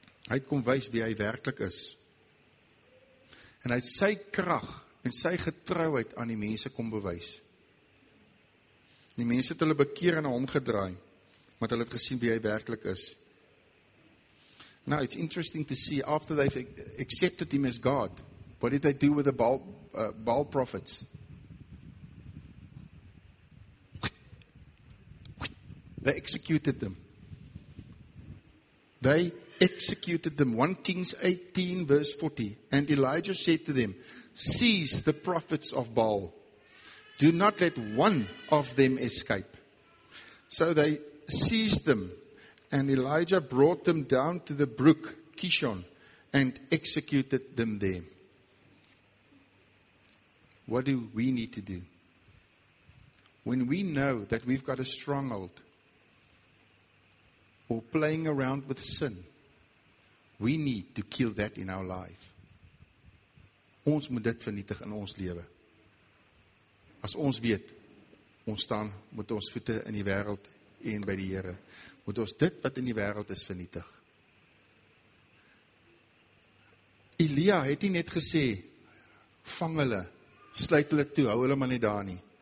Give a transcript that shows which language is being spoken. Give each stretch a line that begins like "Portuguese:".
Afrikaans: Hy kom wys wie hy werklik is. En hy het sy krag en sy getrouheid aan die mense kom bewys. Die mense het hulle bekeer en na hom gedraai, want hulle het gesien wie hy werklik is.
English: Now, it's interesting to see, after they've accepted him as God, what did they do with the Baal prophets? They executed them. They executed them. 1 Kings 18 verse 40. And Elijah said to them, seize the prophets of Baal. Do not let one of them escape. So they seized them. And Elijah brought them down to the brook Kishon and executed them there. What do we need to do? When we know that we've got a stronghold or playing around with sin, we need to kill that in our life.
Afrikaans: Ons moet dit vernietig in ons lewe. As ons weet, ons staan met ons voete in die wêreld en by die Here, moet ons dit wat in die wêreld is vernietig. Elia het nie net gesê, vang hulle, sluit hulle toe, hou hulle maar net daar nie.